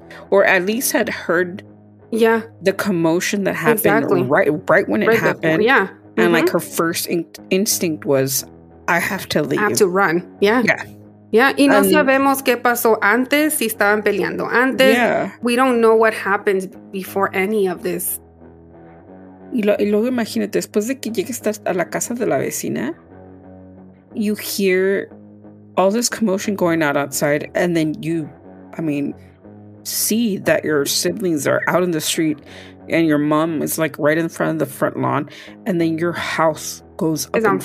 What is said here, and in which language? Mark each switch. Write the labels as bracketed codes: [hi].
[en] Or at least had heard the commotion that happened right when it happened. Before, yeah. And like her first instinct was, I have to leave. I have to run. Yeah. Yeah. [es] Yeah, y no sabemos qué pasó antes, si estaban peleando antes. [en] Yeah. We don't know what happened before any of this. [es] Y luego imagínate, después de que llegues a la casa de la vecina, [en] you hear all this commotion going on outside, and then you see that your siblings are out in the street, and your mom is, like, right in front of the front lawn, and then your house goes up